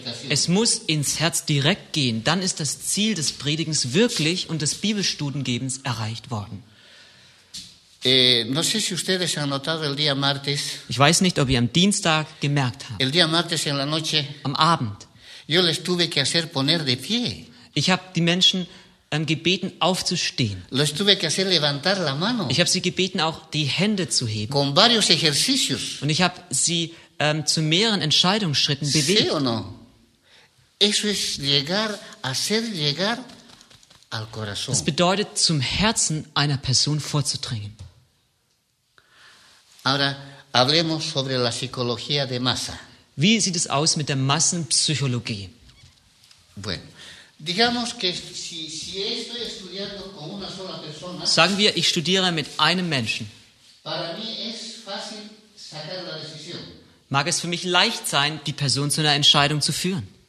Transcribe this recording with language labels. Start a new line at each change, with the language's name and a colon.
German: Es muss ins Herz direkt gehen, dann ist das Ziel des Predigens wirklich und des Bibelstudiengebens erreicht worden.
Spanish: No sé si ustedes han notado el día martes.
German: Ich weiß nicht, ob ihr am Dienstag gemerkt habt.
Spanish: El día martes en la noche,
German: am Abend.
Spanish: Yo les tuve que hacer poner de pie.
German: Ich habe die Menschen gebeten, aufzustehen.
Spanish: Les tuve que hacer levantar la mano.
German: Ich habe sie gebeten, auch die Hände zu heben.
Spanish: Con varios ejercicios.
German: Und ich habe sie zu mehreren Entscheidungsschritten bewegt.
Spanish: Sí o no? Eso es llegar, hacer llegar al corazón.
German: Das bedeutet, zum Herzen einer Person vorzudringen.
Spanish: Ahora, hablemos sobre la psicología de masa.
German: Wie sieht es aus mit der Massenpsychologie?
Spanish: Bueno, digamos que si estoy estudiando con una sola persona,
German: sagen wir, ich studiere mit einem Menschen.
Spanish: Para mí es fácil sacar la decisión.
German: Mag es für mich leicht sein, die Person zu einer Entscheidung zu führen.